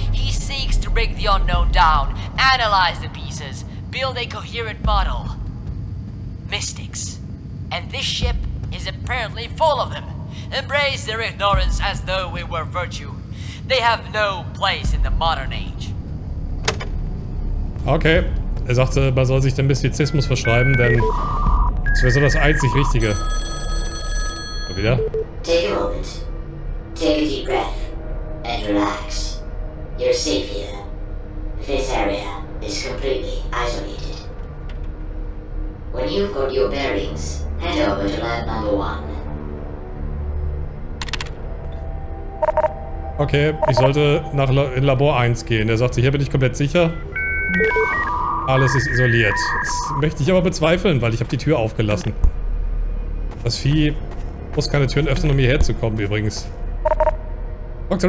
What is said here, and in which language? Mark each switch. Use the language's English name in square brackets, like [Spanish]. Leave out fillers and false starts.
[English] He seeks to break the unknown down, analyze the pieces, build a coherent model. Mystics. And this ship is apparently full of them. Embrace their ignorance as though it were virtue. They have no place in the modern age. Okay. [German] Er sagte, man soll sich den Mystizismus verschreiben, denn das wäre so das einzig Richtige. Mal wieder. [English] Take a moment. Take a deep breath. And relax. You're safe here. This area is completely isolated. When you've got your bearings, head over to lab number one. [German] Okay, ich sollte nach in Labor 1 gehen. Er sagte, hier bin ich komplett sicher. Alles ist isoliert. Das möchte ich aber bezweifeln, weil ich habe die Tür aufgelassen. Das Vieh muss keine Türen öffnen, um hierher zu kommen, übrigens. Dr.